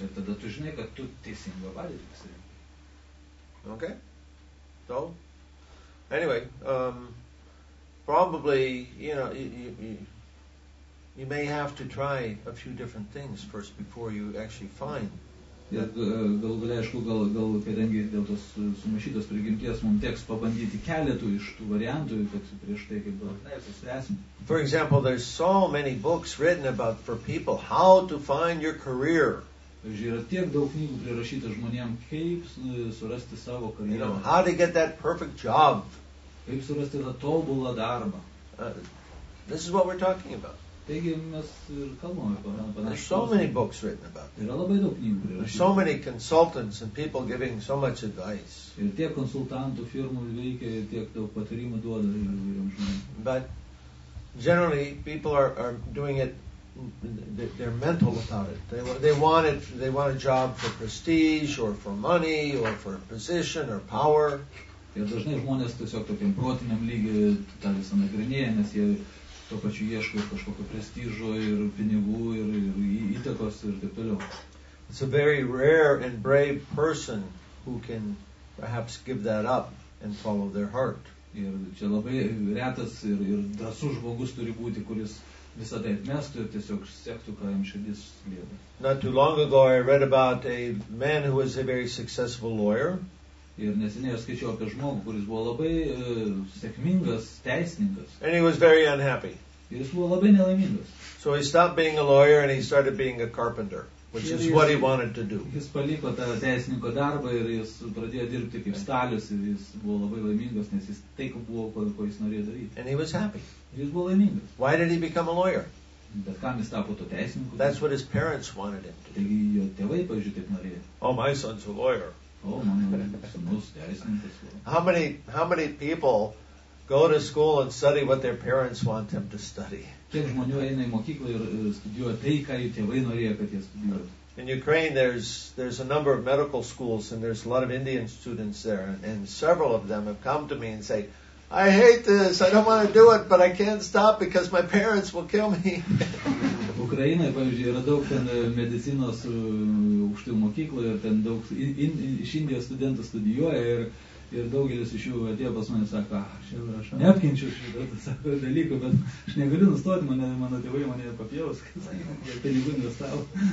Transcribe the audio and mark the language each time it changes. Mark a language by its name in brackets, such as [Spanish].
[Lithuanian] Ir tada tu žinai, kad tu teisingo padėti esi. [English] Okay. So, anyway, probably, you know, you may have to try a few different things first before you actually find. [Lithuanian] Gal, kadangi dėl tos sumašytos prigimties, mums teks pabandyti keletų iš tų variantų, kad prieš tai, kaip susiesim. [English] For example, there's so many books written about for people how to find your career. [Lithuanian] Yra tiek daug knygų prirašyta žmonėm, kaip surasti savo karjerą. [English] You know, how to get that perfect job. [Lithuanian] Kaip surasti tą tobulą darbą. [English] This is what we're talking about. [Lithuanian] Taigi mes ir kalbame apie [English] There's so many books written about it. [Lithuanian] Yra labai daug knygų. [English] There's so many consultants and people giving so much advice. [Lithuanian] Ir tiek konsultantų firmų veikia, tiek daug patarimų duoda įvairiom žmonėm. [English] But generally people are doing it, they're mental about it. They want a job for prestige or for money or for position or power. [Lithuanian] Ir dažnai žmonės tiesiog tokiam protiniam lygį tą visą nagrinėja, nes jie tuo pačiu ieško ir kažkokio prestižo ir pinigų ir įtakos ir taip toliau. [English] It's a very rare and brave person who can perhaps give that up and follow their heart. [Lithuanian] Ir čia labai retas ir drąsus žmogus turi būti, kuris visą tai atmestų ir tiesiog sektų, ką jam širdis liepia. [English] Not too long ago I read about a man who was a very successful lawyer. [Lithuanian] Ir neseniai skaičiau apie žmogų, kuris buvo labai sėkmingas teisininkas. [English] And he was very unhappy. [Lithuanian] Jis buvo labai nelaimingas. [English] So he stopped being a lawyer and he started being a carpenter, which is what he wanted to do. [Lithuanian] Jis paliko tą teisininko darbą ir jis pradėjo dirbti kaip stalius ir jis buvo labai laimingas, nes jis tai buvo, ko jis norėjo daryti. [English] And he was happy. [Lithuanian] Jis buvo laimingas. [English] Why did he become a lawyer? [Lithuanian] Bet kam jis tapo to teisininku? [English] That's what his parents wanted him to do. [Lithuanian] Taigi jo tėvai, pavyzdžiui, taip norėjo. [English] Oh, my son's a lawyer. [Lithuanian] Oh, mano sūnus teisininkas. [English] How many people go to school and study what their parents want them to study. In Ukraine, there's a number of medical schools, and there's a lot of Indian students there, and several of them have come to me and say, I hate this, I don't want to do it, but I can't stop because my parents will kill me. [Lithuanian] Ukrainoje, pavyzdžiui, yra daug ten medicinos aukštųjų mokyklų ir ten daug iš Indijos studentų studijuoja ir daugelis iš jų atėjo pas mane sako, aš neapkinčiu šitą dalyką, bet aš negaliu nustoti, mano tėvai mane papjaus, pinigų investavo.